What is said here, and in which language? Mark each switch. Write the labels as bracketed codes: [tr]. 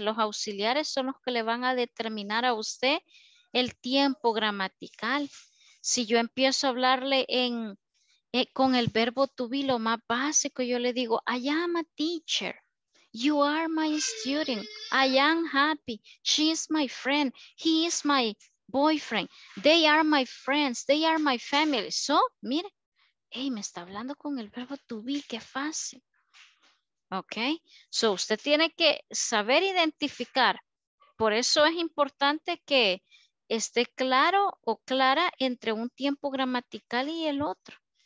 [es] Los auxiliares son los que le van a determinar a usted el tiempo gramatical. Si yo empiezo a hablarle con el verbo to be, lo más básico, yo le digo, [en] I am a teacher. You are my student. I am happy. She is my friend. He is my boyfriend, they are my friends, they are my family. [es] So, mire, hey, me está hablando con el verbo to be, qué fácil. Ok, so usted tiene que saber identificar. Por eso es importante que esté claro o clara entre un tiempo gramatical y el otro.